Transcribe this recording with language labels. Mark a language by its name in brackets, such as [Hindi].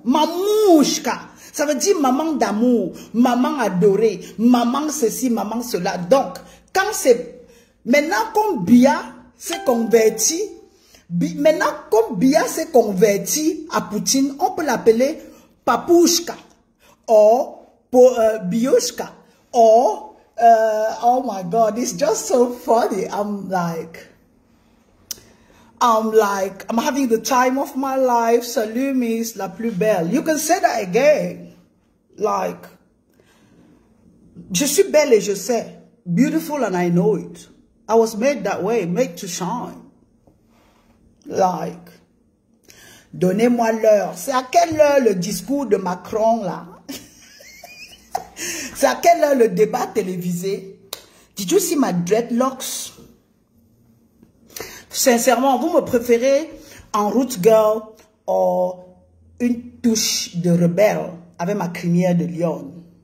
[French] Mamouchka. Ça veut dire maman d'amour, maman adorée, maman ceci, maman cela. Donc, quand c'est. Maintenant qu'on Bia s'est converti. Maintenant qu'on Bia s'est converti à Poutine, on peut l'appeler Papouchka. Or, Biouchka. [English] Or, oh my God, it's just so funny. I'm like, I'm having the time of my life. [French] Salut, [English] Miss La Plus Belle. You can say that again. Like, [French] je suis belle et je sais. [English] Beautiful and I know it. I was made that way, made to shine. Like, [French] donnez-moi l'heure. C'est à quelle heure le discours de Macron, là? C'est à quelle heure le débat télévisé? [English] Did you see my dreadlocks? [French] Sincèrement, vous me préférez en root girl ou une touche de rebelle avec ma crinière de lionne.